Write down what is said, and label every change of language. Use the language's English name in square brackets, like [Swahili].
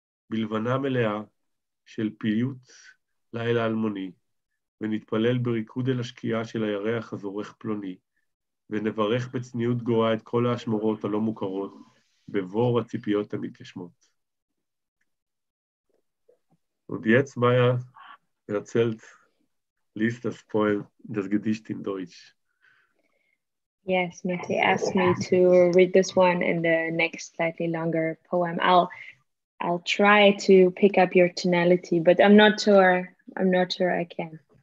[Hebrew] בלבנה מלאה של פיוט לילה אלמוני, ונתפלל בריקוד אל השקיעה של הירח הזורך פלוני, ונברך בצניעות גואה את כל האשמורות הלא מוכרות, בבור הציפיות המתקשמות. [German] Und jetzt, Maya, erzählt, liest das Poem, das Gedicht in Deutsch. [English] Yes, Mati asked me to read this one in the next slightly longer poem. I'll try to pick up your tonality, but I'm not sure I can.